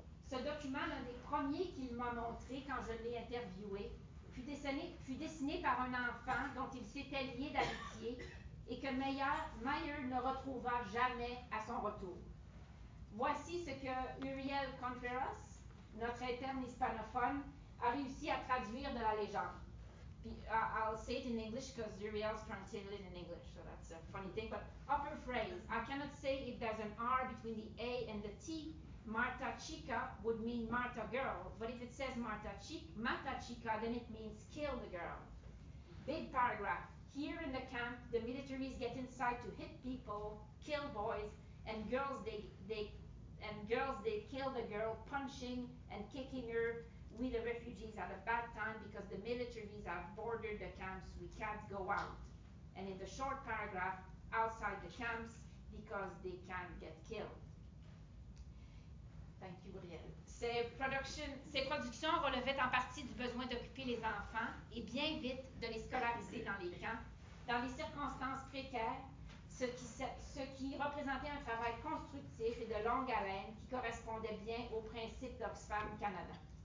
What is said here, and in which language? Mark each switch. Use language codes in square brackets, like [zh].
[fr] Ce document, l'un des premiers qu'il m'a montré quand je l'ai interviewé, fut dessiné par un enfant dont il s'était lié d'amitié et que Meyer ne retrouva jamais à son retour. Voici ce que Uriel Contreras, notre interne hispanophone, a réussi à traduire de la légende. [en] I'll say it in English because Uriel's translated in English, so that's a funny thing. But upper phrase, I cannot say if there's an R between the A and the T. Marta Chica would mean Marta girl, but if it says Mata Chica, then it means kill the girl. Big paragraph. Here in the camp, the militaries get inside to hit people, kill boys, and girls they kill the girl, punching and kicking her. We the refugees had a bad time because the militaries have bordered the camps. We can't go out. And in the short paragraph, outside the camps, because they can't get killed. Thank you, Brielle. [fr] Ces productions relevaient en partie du besoin d'occuper les enfants et bien vite de les scolariser dans les camps, dans les circonstances précaires, ce qui représentait un travail constructif et de longue haleine qui correspondait bien aux principes d'Oxfam Canada.